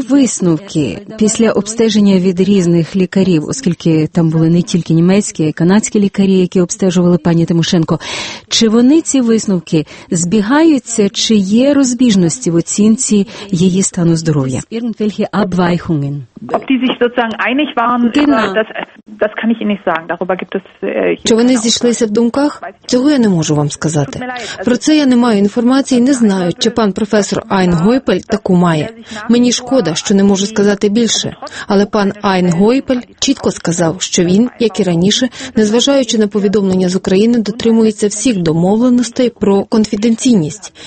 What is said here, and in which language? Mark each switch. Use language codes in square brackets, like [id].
[uk] висновки після обстеження від різних лікарів, оскільки там були не тільки німецькі, а й канадські лікарі, які обстежували пані Тимошенко, чи вони ці висновки збігаються, чи є розбіжності в оцінці її стану здоров'я? [de] Irgendwelche Abweichungen. Ob die sich sozusagen einig waren, das kann ich Ihnen nicht sagen. Darüber gibt es [uk] Чи вони зійшлися в думках? Цього я не можу вам сказати. Про це я не маю інформації, не знаю, чи пан професор Айнгойпель таку має. Мені шкода, що не можу сказати більше. Але пан Айнгойпель чітко сказав, що він, як і раніше, незважаючи на повідомлення з України, дотримується всіх домовленостей про конфіденційність.